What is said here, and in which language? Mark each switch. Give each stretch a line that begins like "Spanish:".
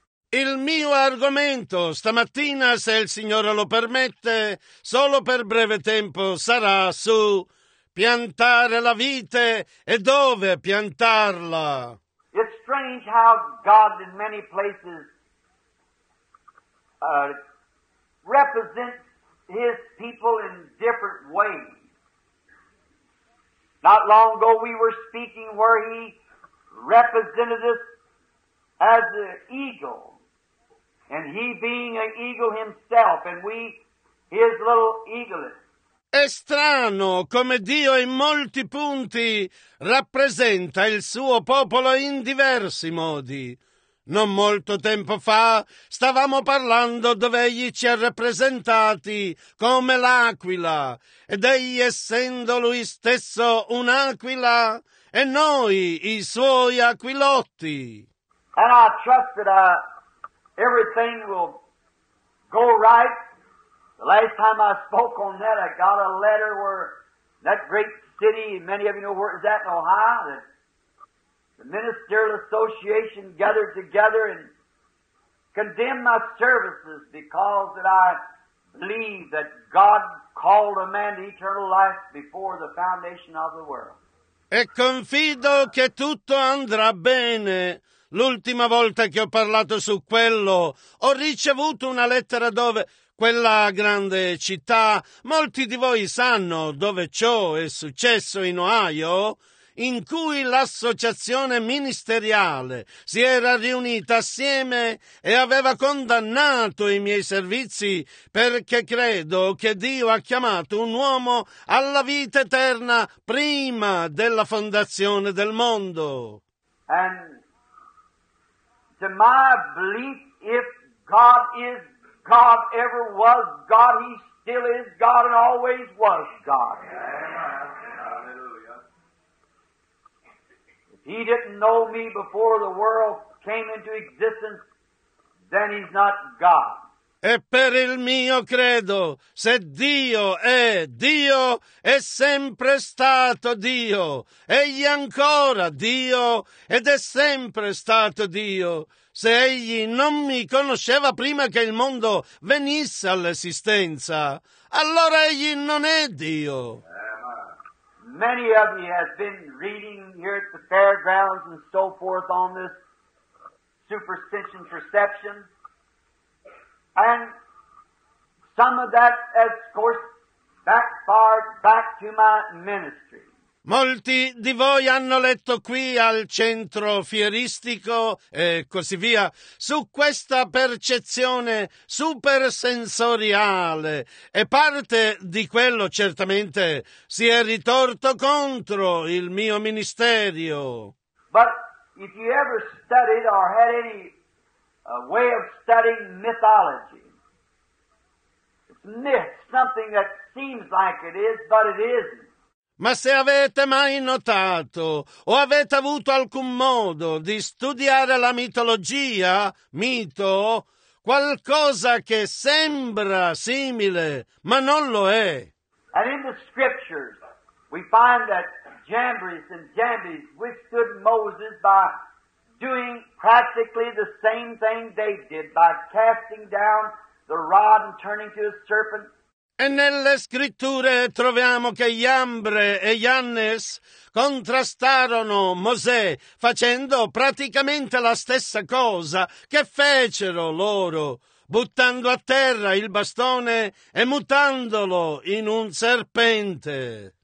Italian: Il mio argomento stamattina, se il Signore lo permette, solo per breve tempo, sarà su piantare la vite e dove piantarla.
English: It's strange how God in many places represents his people in different ways. Not long ago we were speaking where he represented us as an eagle, and he being an eagle himself, and we his little eaglets.
Italian: È strano come Dio in molti punti rappresenta il suo popolo in diversi modi. Non molto tempo fa stavamo parlando dove egli ci ha rappresentati come l'aquila, ed egli essendo lui stesso un'aquila e noi i suoi aquilotti.
English: And I trust that everything will go right. The last time I spoke on that, I got a letter where that great city, many of you know where it's at in Ohio, that the ministerial association gathered together and condemned my services because that I believe that God called a man to eternal life before the foundation of the world.
Italian: E confido che tutto andrà bene. L'ultima volta che ho parlato su quello, ho ricevuto una lettera dove... Quella grande città, molti di voi sanno dove ciò è successo in Ohio, in cui l'associazione ministeriale si era riunita assieme e aveva condannato i miei servizi perché credo che Dio ha chiamato un uomo alla vita eterna prima della fondazione del mondo.
English: And to my belief, if God is God, ever was God, He still is God and always was God. Hallelujah. If He didn't know me before the world came into existence, then He's not God.
Italian: E per il mio credo, se Dio è Dio, è sempre stato Dio. Egli è ancora Dio ed è sempre stato Dio. Se Egli non mi conosceva prima che il mondo venisse all'esistenza, allora Egli non è Dio.
English: Many of you have been reading here at the fairgrounds and so forth on this superstition perception. And some of that has, of course, backfired back to my ministry.
Italian: Molti di voi hanno letto qui al centro fieristico e così via su questa percezione supersensoriale e parte di quello certamente si è ritorto contro il mio ministero.
English: But if you ever studied or had any way of studying mythology, it's myth, something that seems like it is, but it isn't.
Italian: Ma se avete mai notato o avete avuto alcun modo di studiare la mitologia, mito, qualcosa che sembra simile, ma non lo è.
English: And in the scriptures we find that Jambres and Jambres withstood Moses by doing practically the same thing they did, by casting down the rod and turning to a serpent.
Italian: E nelle scritture troviamo che Jambre e Jannes contrastarono Mosè facendo praticamente la stessa cosa che fecero loro, buttando a terra il bastone e mutandolo in un serpente.